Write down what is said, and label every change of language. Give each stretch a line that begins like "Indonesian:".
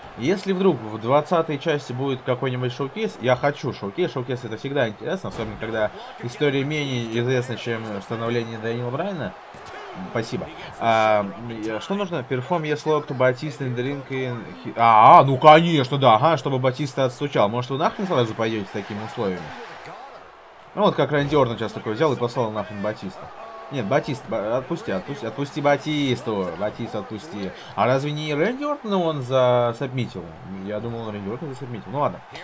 Russian: Если вдруг в 20-й части будет какой-нибудь шоу-кейс, я хочу шоу-кейс это всегда интересно, особенно когда история менее известна, чем становление Дэниела Брайана. Спасибо. Что нужно?
English: Perform your slog to Batista in the ring.
Russian: Ну конечно, да. Ага, чтобы Батиста отстучал. Может, вы нахрен сразу пойдете с такими условиями? Ну вот как Рэнди Орн сейчас такой взял и послал нахрен Батиста. Нет, Батиста, отпусти Батисту. Батиста отпусти. А разве не Рэнди Орн он засабмитил? Я думал, он Рэнди Орн засабмитил. Ну ладно.